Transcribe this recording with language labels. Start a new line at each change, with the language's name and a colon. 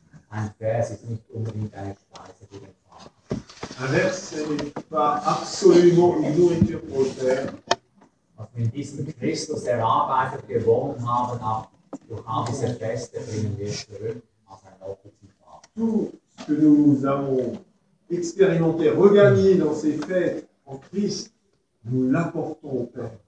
French: Un vers n'est pas absolument une nourriture pour le Père.
German: Was wir in diesem Christus erarbeitet gewonnen haben, auch durch all diese Feste bringen wir zurück auf ein Opfer.
French: Tout ce que nous avons expérimenté, regagné dans ces fêtes en Christ, nous l'apportons au Père.